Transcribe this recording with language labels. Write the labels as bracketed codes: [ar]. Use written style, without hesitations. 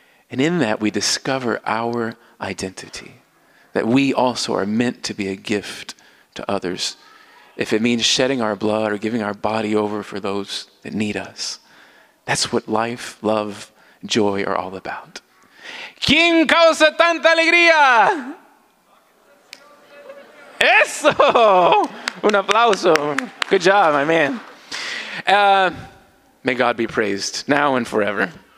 [en] And in that, we discover our identity, that we also are meant to be a gift to others. If it means shedding our blood or giving our body over for those that need us, that's what life, love, joy are all about. [es] ¿Quién causa tanta alegría? Eso! Un aplauso. [en] Good job, my man. May God be praised now and forever.